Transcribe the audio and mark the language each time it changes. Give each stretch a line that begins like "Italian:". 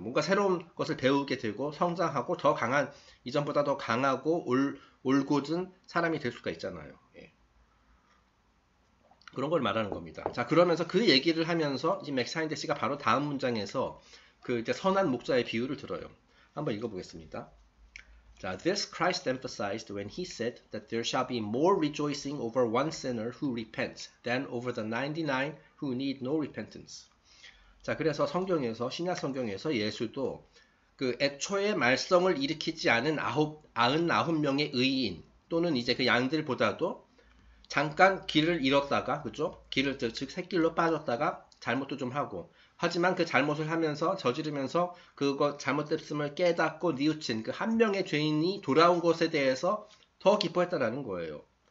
Korean: 뭔가 새로운 것을 배우게 되고, 성장하고, 더 강한, 이전보다 더 강하고, 올곧은 사람이 될 수가 있잖아요. 예. 그런 걸 말하는 겁니다. 자, 그러면서 그 얘기를 하면서, 이제 맥사인드 씨가 바로 다음 문장에서, 그 이제 선한 목자의 비유를 들어요. 한번 읽어보겠습니다.
English: 자, This Christ emphasized when he said that there shall be more rejoicing over one sinner who repents than over the 99 who need no repentance.
Korean: 자, 그래서 성경에서, 신약 성경에서 예수도 그 애초에 말썽을 일으키지 않은 99명의 의인 또는 이제 그 양들보다도 잠깐 길을 잃었다가, 그죠? 길을, 즉, 샛길로 빠졌다가 잘못도 좀 하고, 하지만 그 잘못을 하면서, 저지르면서 그거 잘못됐음을 깨닫고 뉘우친 그한 명의 죄인이 돌아온 것에 대해서 더 기뻐했다라는 거예요.